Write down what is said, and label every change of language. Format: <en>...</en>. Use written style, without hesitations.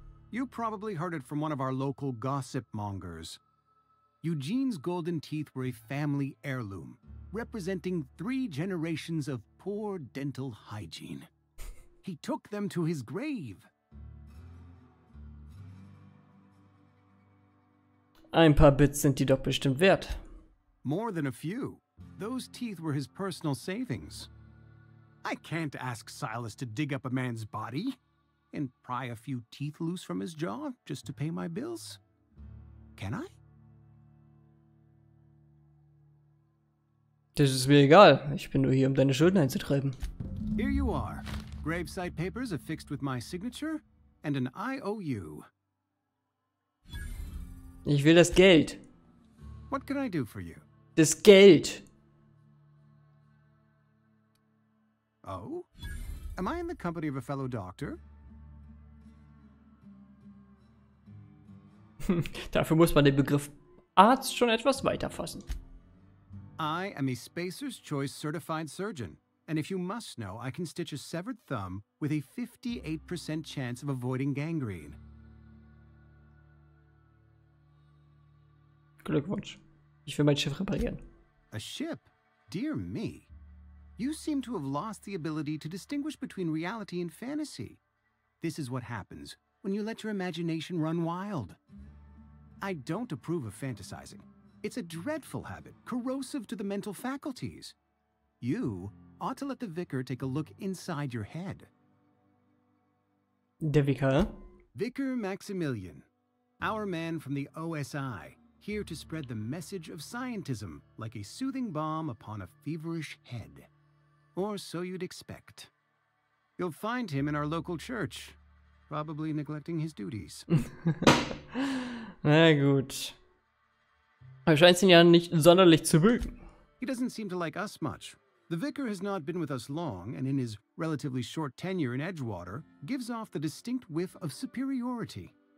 <en>You probably heard it from one of our local gossip mongers. Eugene's golden teeth were a family heirloom, representing three generations of poor dental hygiene. He took them to his grave.</en> <de>Ein paar Bits sind die doch bestimmt wert.</de> <en>More than a few. Those teeth were his personal savings. I can't ask Silas to dig up a man's body and pry a few teeth loose from his jaw just to pay my bills. Can I?</en> <de>Das ist mir egal. Ich bin nur hier, um deine Schulden einzutreiben.</de> <en>Here you are. Graveside papers affixed with my signature and an IOU.</en> <de>Ich will das Geld.</de> <en>What can I do for you?</en> <de>Das Geld.</de> <en>Oh? Am I in the company of a fellow doctor?</en> <de>Dafür muss man den Begriff Arzt schon etwas weiter fassen.</de> <en>I am a Spacer's Choice certified surgeon. And if you must know, I can stitch a severed thumb with a 58% chance of avoiding gangrene.</en> <de>Glückwunsch. Ich will mein Schiff reparieren.</de> <en>A ship? Dear me. You seem to have lost the ability to distinguish between reality and fantasy. This is what happens when you let your imagination run wild. I don't approve of fantasizing. It's a dreadful habit, corrosive to the mental faculties. You ought to let the vicar take a look inside your head.</en> <de>Der Vicar?</de> <en>Vicar Maximilian. Our man from the OSI. Here to spread the message of scientism, like a soothing balm upon a feverish head. Or so you'd expect. You'll find him in our local church. Probably neglecting his duties.</en> <de>Na gut. Er scheint ihn ja nicht sonderlich zu mögen.</de> <en>He doesn't seem to like us much. The vicar has not been with us long, and in his relatively short tenure in Edgewater, gives off the distinct whiff of superiority.</en>